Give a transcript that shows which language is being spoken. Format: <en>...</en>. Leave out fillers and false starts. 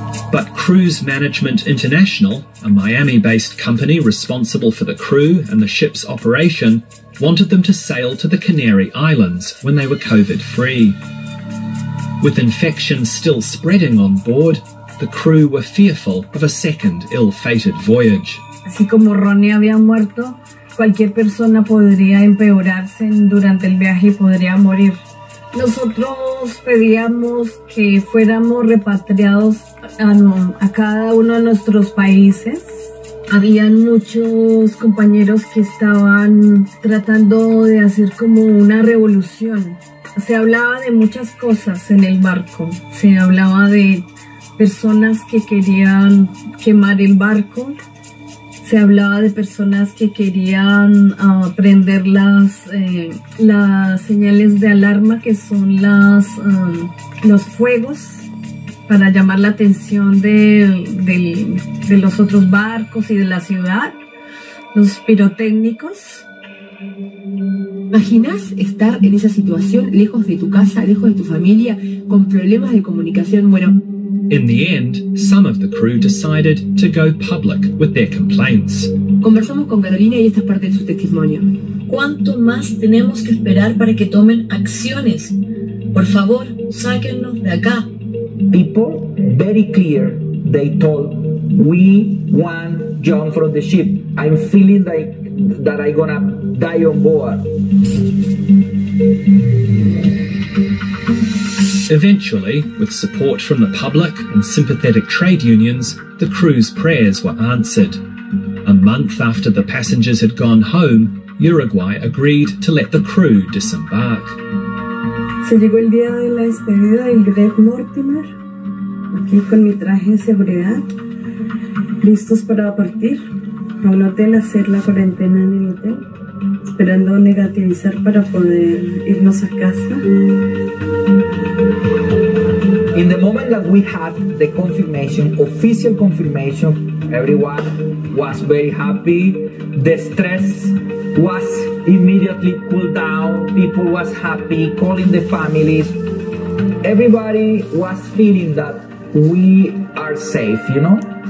<en>But Cruise Management International, a Miami-based company responsible for the crew and the ship's operation, wanted them to sail to the Canary Islands when they were COVID-free. With infection still spreading on board, the crew were fearful of a second ill-fated voyage.</en> <es>Así como Ronnie había muerto, cualquier persona podría empeorarse durante el viaje y podría morir. Nosotros pedíamos que fuéramos repatriados a cada uno de nuestros países. Habían muchos compañeros que estaban tratando de hacer como una revolución. Se hablaba de muchas cosas en el barco. Se hablaba de personas que querían quemar el barco. Se hablaba de personas que querían prender las señales de alarma, que son los fuegos, para llamar la atención de los otros barcos y de la ciudad, los pirotécnicos. ¿Imaginas estar en esa situación, lejos de tu casa, lejos de tu familia, con problemas de comunicación? Bueno...</es> <en>In the end, some of the crew decided to go public with their complaints.</en> <es>Conversamos con Carolina y esta es parte de su testimonio. ¿Cuánto más tenemos que esperar para que tomen acciones? Por favor, sáquennos de acá.</es> <en>People, very clear, they told, we want John from the ship. I'm feeling like that I'm gonna die on board. Eventually, with support from the public and sympathetic trade unions, the crew's prayers were answered. A month after the passengers had gone home, Uruguay agreed to let the crew disembark.</en> <es>Se llegó el día de la despedida del Greg Mortimer, aquí con mi traje de seguridad, listos para partir, a un hotel a hacer la cuarentena en el hotel, esperando negativizar para poder irnos a casa.</es> <en>In the moment that we had the confirmation, official confirmation, everyone was very happy. The stress was immediately cooled down. People was happy, calling the families. Everybody was feeling that we are safe, you know?</en>